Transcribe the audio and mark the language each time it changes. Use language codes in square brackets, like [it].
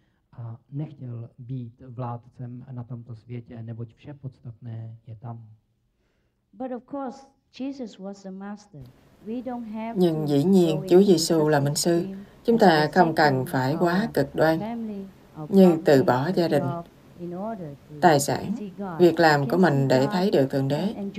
[cs] A nechtěl být vládcem na tomto světě, neboť vše podstatné je tam. [en] But of course, Jesus was the master. We don't have. [vi] Nhưng dĩ nhiên Chúa Giêsu là Minh Sư. Chúng ta không cần phải quá cực đoan, như từ bỏ gia đình, tài sản, việc làm của mình để thấy được Thượng Đế.